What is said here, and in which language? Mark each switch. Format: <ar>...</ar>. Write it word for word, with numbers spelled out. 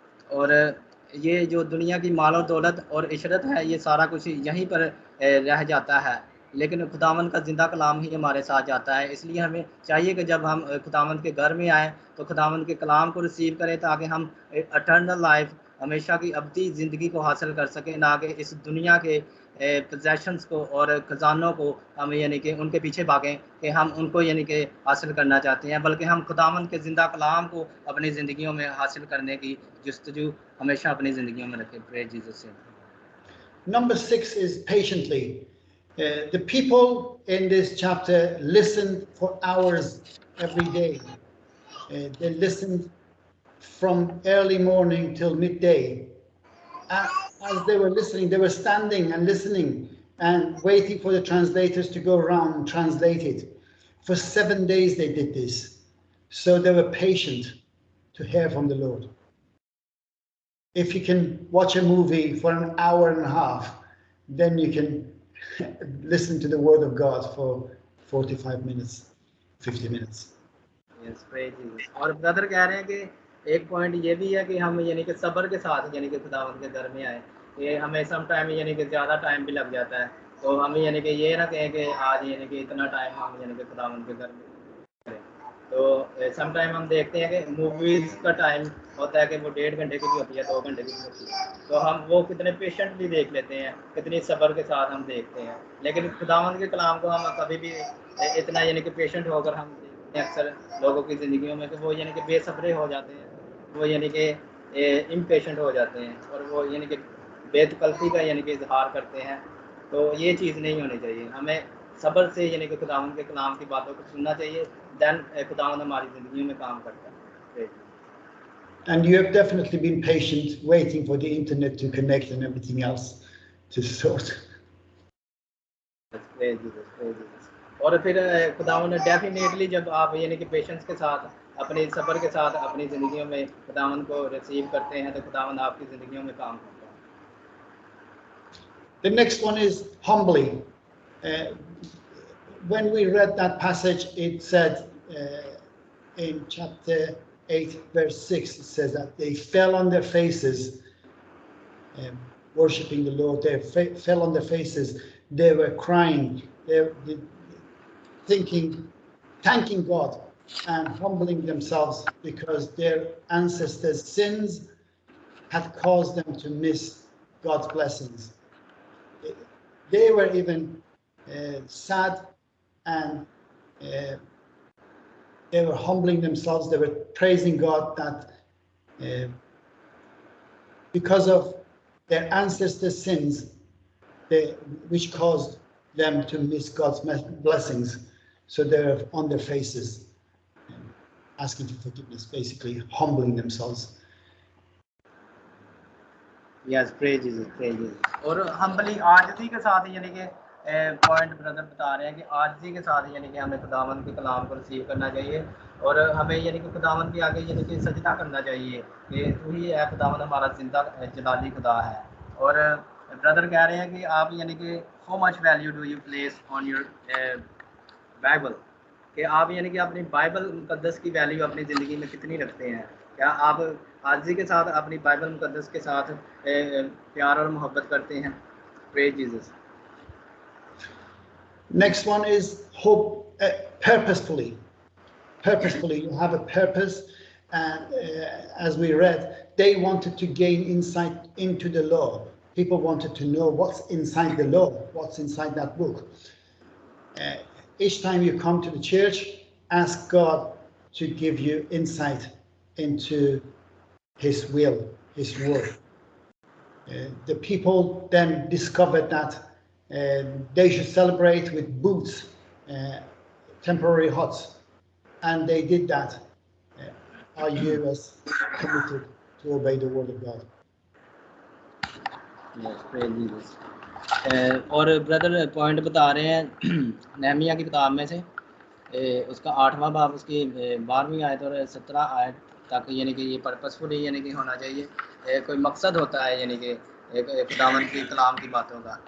<ur>اور یہ جو دنیا کی مال و دولت اور عشرت ہے، یہ سارا کچھ یہیں پر اے، رہ جاتا ہے، لیکن خداوند کا زندہ کلام ہی ہمارے ساتھ جاتا ہے. اس لیے ہمیں چاہیے کہ جب ہم اے، خداوند کے گھر میں آئیں تو خداوند کے کلام کو ریسیو کریں، تاکہ ہم اٹرنل لائف، ہمیشہ کی ابدی زندگی کو حاصل کر سکیں، نہ کہ اس دنیا کے پوزیشنس کو اور خزانوں کو ہم یعنی کہ ان کے پیچھے بھاگیں کہ ہم ان کو یعنی کہ حاصل کرنا چاہتے ہیں، بلکہ ہم خداوند کے زندہ کلام کو اپنی زندگیوں میں حاصل کرنے کی جستجو ہمیشہ اپنی زندگیوں میں رکھیں.</ur> <en>Praise Jesus. سے Number six is patiently. Uh, the people in this chapter listened for hours every day. Uh, they listened from early morning till midday. As, as they were listening, they were standing and listening and waiting for the translators to go around and translate it. For seven days they did this. So they were patient to hear from the Lord. If you can watch a movie for an hour and a half, then you can listen to the Word of God for forty-five minutes, fifty minutes. Yes, praise Jesus.</en> <ur>اور برادر کہہ رہے ہیں کہ ایک point یہ بھی ہے کہ ہم یعنی کہ صبر کے ساتھ یعنی کہ خداوند کے گھر میں آئے، کہ ہمیں سم ٹائم یعنی کہ زیادہ ٹائم بھی لگ جاتا ہے، تو ہمیں یعنی کہ یہ نہ کہیں کہ آج یعنی کہ اتنا ٹائم ہم یعنی کہ خداوند کے گھر میں تو سم ٹائم ہم دیکھتے ہیں کہ موویز کا ٹائم ہوتا ہے کہ وہ ڈیڑھ گھنٹے کی بھی ہوتی ہے, دو گھنٹے کی بھی ہوتی ہے, تو ہم وہ کتنے پیشنٹلی دیکھ لیتے ہیں, کتنی صبر کے ساتھ ہم دیکھتے ہیں, لیکن خداوند کے کلام کو ہم کبھی بھی اتنا یعنی کہ پیشنٹ ہو کر ہم دیکھتے ہیں اکثر لوگوں کی زندگیوں میں کہ وہ یعنی کہ بے صبرے ہو جاتے ہیں, وہ یعنی کہ امپیشنٹ ہو جاتے ہیں اور وہ یعنی کہ بے تکلفی کا یعنی کہ اظہار کرتے ہیں. تو یہ چیز نہیں ہونی چاہیے, ہمیں صبر سے یعنی کہ خداوند کے کلام کی باتوں کو سننا چاہیے, دین خداوند ہماری زندگی میں کام کرتا ہے.</ur> <en>And you have definitely been patient, waiting for the internet to connect and everything else to sort. Praise Jesus, praise Jesus.</en> <ur>اور پھر خداوند نے ڈیفینیٹلی جب آپ یعنی کہ پیشنس کے ساتھ اپنے صبر کے ساتھ اپنی زندگیوں میں خداوند کو ریسیو کرتے ہیں تو خداوند آپ کی زندگیوں میں کام کرتا ہے.</ur> <en>The next one is humbly. Uh, when we read that passage, it said uh, in chapter eight, verse six, it says that they fell on their faces, um, worshiping the Lord. They fa- fell on their faces. They were crying. They were thinking, thanking God and humbling themselves because their ancestors' sins had caused them to miss God's blessings. They were even uh, sad and uh, they were humbling themselves. They were praising God that uh, because of their ancestors' sins, they, which caused them to miss God's blessings. So they're on their faces, asking for forgiveness, basically humbling themselves. Yes, praise Jesus, praise Jesus.</en> <ur>اور ہمبلی عاجزی کے ساتھ یعنی کہ point brother بتا رہے ہیں کہ عاجزی کے ساتھ یعنی کہ ہمیں خداوند کے کلام کو ریسیو کرنا چاہیے اور ہمیں یعنی کہ خداوند کے آگے یعنی کہ سجدہ کرنا چاہیے کہ تو ہی ہے خداوند ہمارا زندہ جلالی خدا ہے. اور بردر کہہ رہے ہیں کہ آپ یعنی کہ</ur> <en>how much value do you place on your Bible,</en> <ur>کہ آپ یعنی کہ اپنی بائبل مقدس کی ویلیو اپنی زندگی میں کتنی رکھتے ہیں, کیا آپ عاجزی کے ساتھ اپنی بائبل مقدس کے ساتھ پیار اور محبت کرتے ہیں.</ur> <en>Praise Jesus. Next one is hope uh, purposefully. Purposefully, you have a purpose, and uh, as we read, they wanted to gain insight into the law. People wanted to know what's inside the law, what's inside that book. Uh, each time you come to the church, ask God to give you insight into his will, his word. Uh, the people then discovered that uh, they should celebrate with booths, uh, temporary huts, and they did that. Uh, are you as committed to obey the word of God? Yes, praise Jesus.</en> <ur>اور brother point بتا رہے ہیں نہمیا کی کتاب میں سے اس کا آٹھواں باب اس کی بارہویں آیت اور سترہ آیت تاکہ یعنی کہ یہ پرپسفلی یعنی کہ ہونا چاہیے, کوئی مقصد ہوتا ہے یعنی کہ خداوند کی کلام کی باتوں کا.</ur>